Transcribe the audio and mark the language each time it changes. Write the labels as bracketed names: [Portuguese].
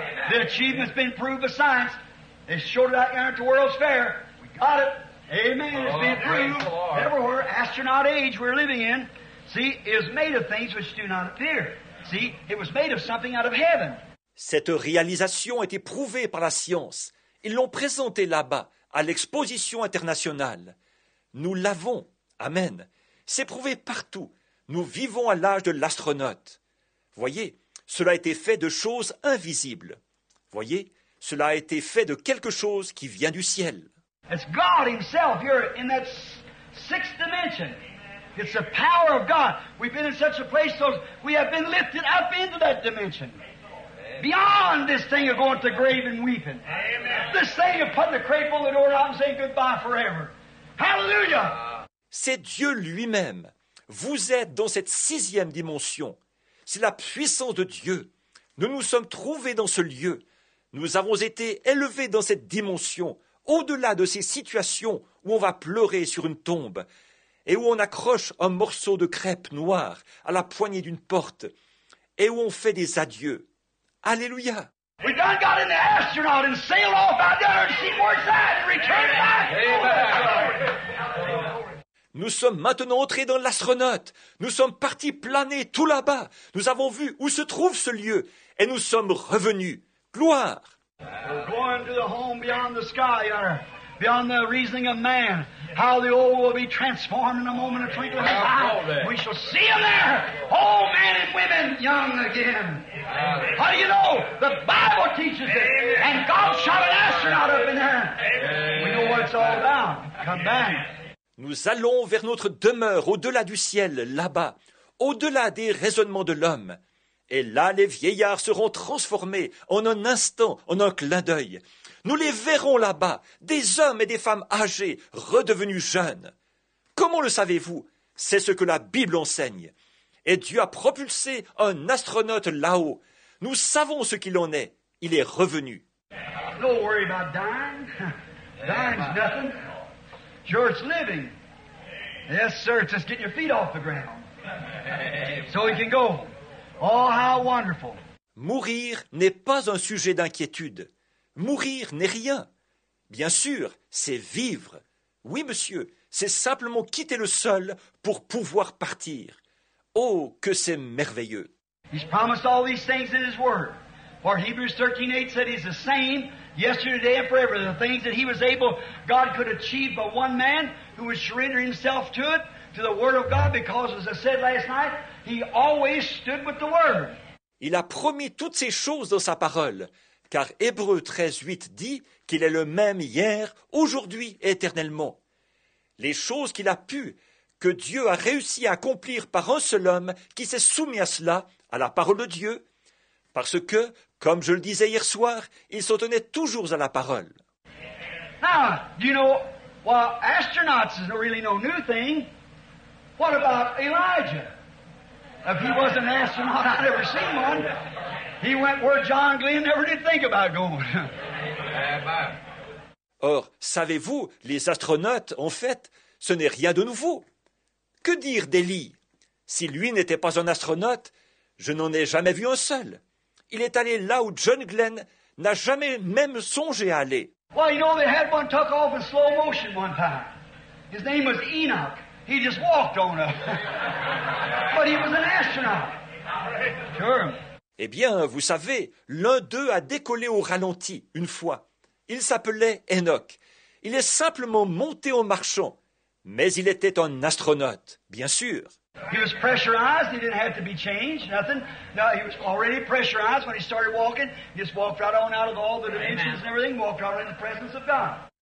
[English] The achievement's been proved by science. They showed it out there at the World's Fair. Got it. Amen. It's been proved everywhere. Astronaut age we're living in. See, it is made of things which do not appear. See, it was made of something out of heaven. [French] Cette réalisation est éprouvée par la science. Ils l'ont présentée là-bas, à l'exposition internationale. Nous l'avons. Amen. C'est prouvé partout. Nous vivons à l'âge de l'astronaute. Voyez, cela a été fait de choses invisibles. Voyez, cela a été fait de quelque chose qui vient du ciel. [English] It's God Himself here in that sixth dimension. It's the power of God. We've been in such a place, so we have been lifted up into that dimension. Beyond this thing of going to the grave and weeping. Amen. This thing of putting the crape on the door out and saying goodbye forever. Hallelujah! [French] C'est Dieu lui-même. Vous êtes dans cette sixième dimension. C'est la puissance de Dieu. Nous nous sommes trouvés dans ce lieu. Nous avons été élevés dans cette dimension. Au-delà de ces situations où on va pleurer sur une tombe et où on accroche un morceau de crêpe noire à la poignée d'une porte et où on fait des adieux. Alléluia. [English] We've done got in the astronaut and sailed off out there and see where it's at and return back. Amen. [French] Nous sommes maintenant entrés dans l'astronaute. Nous sommes partis planer tout là-bas. Nous avons vu où se trouve ce lieu et nous sommes revenus. Gloire. [English] We're going to the home beyond the sky, Your Honor, beyond the reasoning of man. How the old will be transformed in a moment of twinkling of an eye. We shall see them there, old men and women, young again. How do you know? The Bible teaches it. And God shot an astronaut up in there. We know what it's all about. Come back. [French] Nous allons vers notre demeure au-delà du ciel, là-bas, au-delà des raisonnements de l'homme. Et là, les vieillards seront transformés en un instant, en un clin d'œil. Nous les verrons là-bas, des hommes et des femmes âgés, redevenus jeunes. Comment le savez-vous? C'est ce que la Bible enseigne. Et Dieu a propulsé un astronaute là-haut. Nous savons ce qu'il en est. Il est revenu. [English] No worry about dying. Dying's nothing. Sure, it's living. Yes, sir, just get your feet off the ground. So he can go. Oh, how wonderful! [French] Mourir n'est pas un sujet d'inquiétude. Mourir n'est rien. Bien sûr, c'est vivre. Oui, monsieur, c'est simplement quitter le sol pour pouvoir partir. Oh, que c'est merveilleux! [English] He's promised all these things in His Word. For Hebrews 13:8 said He's the same yesterday, today, and forever. The things that He was able, God could achieve by one man who would surrender Himself to it. To the word of God, because as I said last night, He always stood with the word. [French] Il a promis toutes ces choses dans sa parole, car Hébreux 13:8 dit qu'il est le même hier, aujourd'hui et éternellement. Les choses qu'il a pu, que Dieu a réussi à accomplir par un seul homme qui s'est soumis à cela, à la parole de Dieu, parce que, comme je le disais hier soir, ils s'en tenaient toujours à la parole. [English] Now, do you know, while astronauts is really no new thing, what about Elijah? If he was an astronaut, I'd never seen one. He went where John Glenn never did think about going. [French] Or, savez-vous, les astronautes, en fait, ce n'est rien de nouveau. Que dire d'Élie? Si lui n'était pas un astronaute, je n'en ai jamais vu un seul. Il est allé là où John Glenn n'a jamais même songé à aller. [English] Well, you know, they had one took off in slow motion one time. His name was Enoch. He just walked on up. But he was an astronaut. Sure. [French] Eh bien, vous savez, l'un d'eux a décollé au ralenti une fois. Il s'appelait Enoch. Il est simplement monté en marchant. Mais il était un astronaute, bien sûr. [English] He was pressurized, he didn't have to be changed, nothing. No, he was already pressurized when he started walking. He just walked right on out of all the dimensions and everything, walked right in the presence of God.